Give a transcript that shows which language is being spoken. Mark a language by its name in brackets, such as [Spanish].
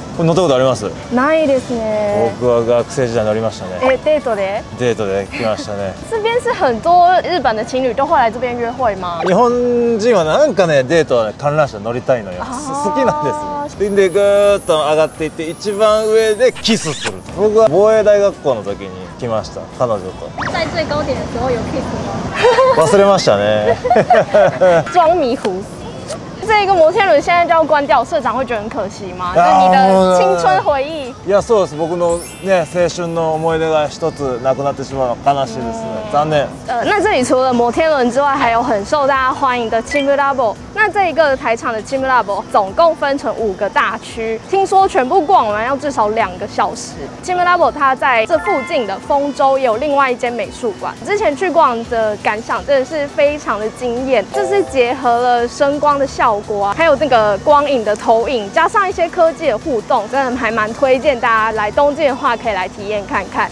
[Japanese] これ乗ったことあります？ないですね。僕は学生時代乗りましたね。デートで？デートで来ましたね。 [Chinese] 这边是很多日本的情侣都会来这边约会吗？ [Japanese] 日本人はなんかね、デートは観覧車乗りたいのよ。好きなんです。でぐーっと上がっていって一番上でキスする。僕は防衛大学校の時に来ました、彼女と。 [Chinese] 在最高点的时候有 [Japanese] キスも。忘れましたね。 [Chinese] 装迷糊。这个摩天轮现在就要关掉，社长会觉得很可惜吗？这是你的青春回忆。 [Japanese] いや、そうです。僕のね、青春の思い出が一つなくなってしまうの悲しいですね。残念。 [Chinese] 那这里除了摩天轮之外，还有很受大家欢迎的 teamLab。那这一个台场的 teamLab 总共分成五个大区，听说全部逛完要至少2个小时。 teamLab 它在这附近的丰州也有另外一间美术馆，之前去逛的感想真的是非常的惊艳，这是结合了声光的效果啊，还有那个光影的投影，加上一些科技的互动，真的还蛮推荐大家来东京的话可以来体验看看。